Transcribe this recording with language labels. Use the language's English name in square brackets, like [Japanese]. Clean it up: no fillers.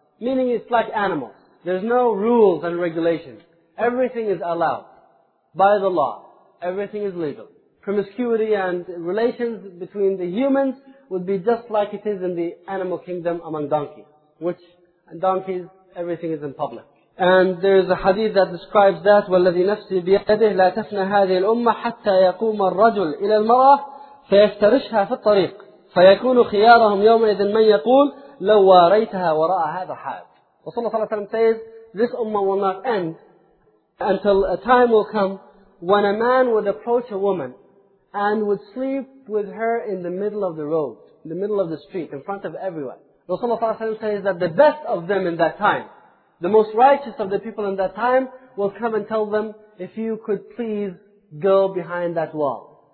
[English] Meaning it's like animals. There's no rules and regulations. Everything is allowed. By the law, everything is legal. Promiscuity and relations between the humans would be just like it is in the animal kingdom among donkeys. Which, donkeys, everything is in public. [Arabic] And there is a hadith that describes that, وَالَّذِي نَفْسِي بِيَدِهِ لَا تَفْنَى هَذِهِ الْأُمَّةِ حَتَّى يَقُومَ الرَّجُلُ إِلَى الْمَرَأَةِ فَيَفْتَرِشْهَا فِي الطَّرِيقِ فَيَكُونُ خِيَارَهُمْ يَوْمَئِذٍ مَنْ يَقُولُ لَوْ وَارَيْتَهَا وَرَأَى هَذَا حَادٌ. [English] Rasulullah صلى الله عليه وسلم says, this ummah will not end until a time will come when a man would approach a woman and would sleep with her in the middle of the road, in the middle of the street, in front of everyone. Rasulullah صلى الله عليه وسلم says that the best of them in that time, the most righteous of the people in that time, will come and tell them, if you could please go behind that wall.